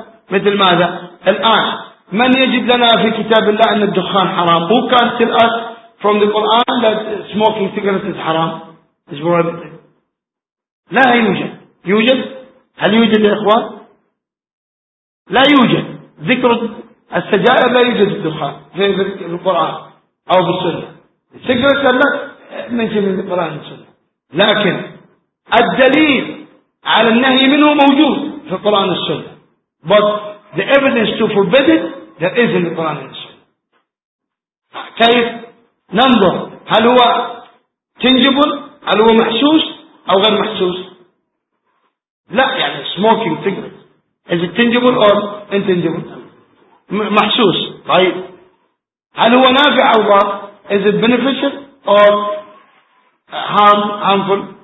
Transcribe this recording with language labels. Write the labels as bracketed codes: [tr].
[ar] مثل ماذا الآن من يجد لنا في كتاب الله أن الدخان حرام؟ [en] Who can tell us from the Quran that smoking cigarettes is حرام؟ Is prohibited. [ar] لا يوجد. يوجد؟ هل يوجد يا إخوان؟ لا يوجد. ذكر السجائر لا يوجد في الدخان في القرآن أو في السنة. [en] Cigarettes لا mention in the Quran والسنة. [ar] لكن الدليل على النهي منه موجود في القرآن والسنة. [en] But the evidence to forbid it, there is in the Quran and Sunnah. [ar] كيف ننظر, هل هو tangible, هل هو محسوس أو غير محسوس؟ لا, يعني [en] smoking cigarette, is it tangible or intangible? [ar] محسوس. طيب هل هو نافع أو ضار؟ [en] Is it beneficial or harmful?